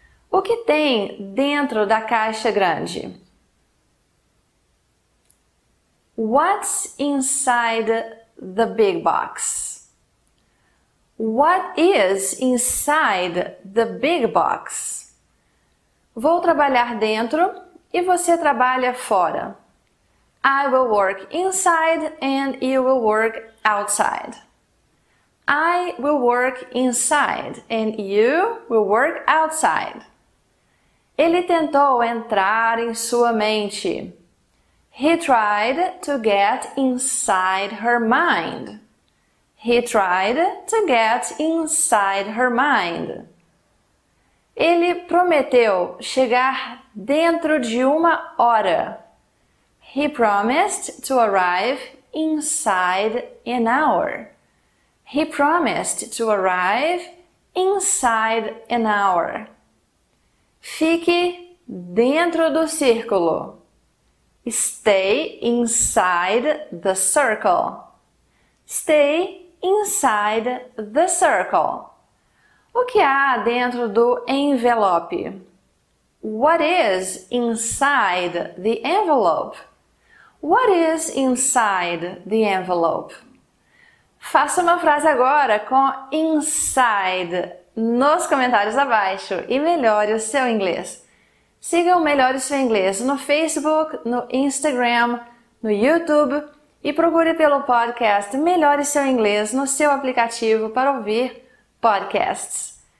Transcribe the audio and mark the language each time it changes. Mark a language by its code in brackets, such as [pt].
[pt] O que tem dentro da caixa grande? [en] What's inside the big box? What is inside the big box? [pt] Vou trabalhar dentro e você trabalha fora. [en] I will work inside and you will work outside. I will work inside and you will work outside. [pt] Ele tentou entrar em sua mente. [en] He tried to get inside her mind. He tried to get inside her mind. [pt] Ele prometeu chegar dentro de uma hora. [en] He promised to arrive inside an hour. He promised to arrive inside an hour. [pt] Fique dentro do círculo. [en] Stay inside the circle. Stay inside the circle. [pt] O que há dentro do envelope? [en] What is inside the envelope? What is inside the envelope? [pt] Faça uma frase agora com inside nos comentários abaixo e melhore o seu inglês. Siga o Melhore o Seu Inglês no Facebook, no Instagram, no YouTube e procure pelo podcast Melhore o Seu Inglês no seu aplicativo para ouvir podcasts.